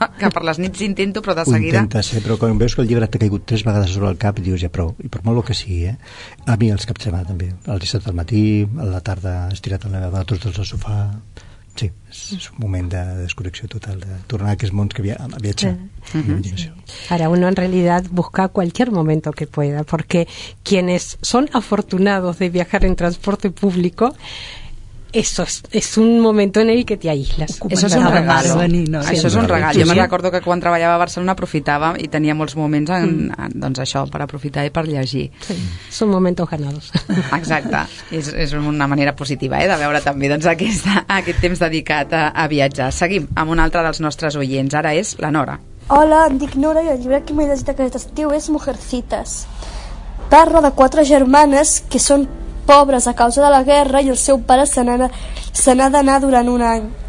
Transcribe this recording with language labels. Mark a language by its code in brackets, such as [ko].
[ca] Que per les nits intento, però de seguida... Intentes, però quan veus que el llibre t'ha caigut tres vegades sobre el cap, dius ja prou. I per molt que sigui, A mi els caps de setmana també. El dissabte al matí, a la tarda estirat a la meva dona, tots dels al sofà... Sí, és un moment de desconnexió total, de tornar a aquests mons que havia viatjat. [es] Ara, uno en realidad busca cualquier momento que pueda, porque quienes son afortunados de viajar en transporte público, eso es un momento en el que te aíslas. Eso es un regalo. Eso es un regalo. Yo me recuerdo que cuando trabajaba a Barcelona aprovechaba y tenía muchos momentos [ca] doncs això, per aprofitar i per llegir. [es] Sí, son momentos ganados. [ca] Exacte. És una manera positiva, de veure també doncs aquest temps dedicat a viatjar. Seguim amb un altre dels nostres oients. Ara és la Nora. Hola, em dic Nora i el llibre que m'he llegit aquest estiu és Mujercitas. Parla de quatre germanes que són pobres a causa de la guerra i el seu pare se n'ha d'anar durant un any.